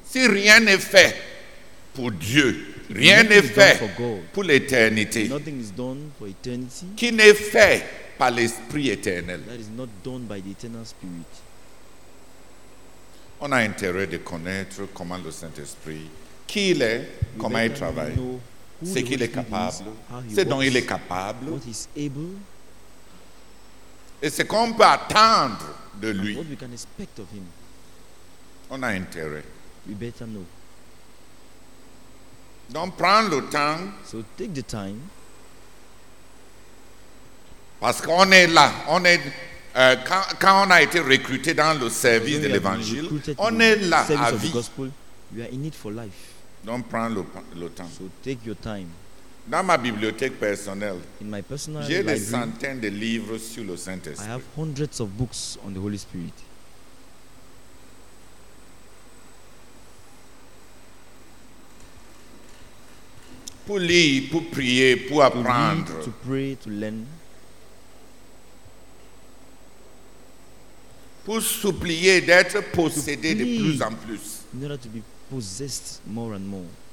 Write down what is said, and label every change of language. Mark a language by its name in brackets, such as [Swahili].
[French] Si rien n'est fait pour Dieu, rien n'est fait pour l'éternité. [English] Nothing is done for eternity. [French] Qui n'est fait par l'Esprit éternel? [English] That is not done by the eternal spirit. [French] On a intérêt de connaître comment le Saint-Esprit, qui il est, comment il travaille, ce qu'il est capable, ce dont il est capable, [English] what is able, [French] et ce qu'on peut attendre de lui. [English] What we can expect of him. [French] On a intérêt. [English] We better know. [French] Donc prends le temps. [English] So take the time. [French] Parce qu'on est là, on est. Quand on a été recruté dans le service de l'Évangile, on est là à vie. [English] Gospel, you are in it for life. [French] Donc prends le temps. [English] So take your time. [French] Dans ma bibliothèque personnelle, [English] in my personal [French] j'ai [English] library, [French] des centaines de livres sur le Saint-Esprit. [English] I have hundreds of books on the Holy Spirit. [French] Pour lire, pour prier, pour apprendre. [English] To pray, to learn. [French] Pour supplier d'être possédé de plus en plus. [English] In order to be possessed more and more.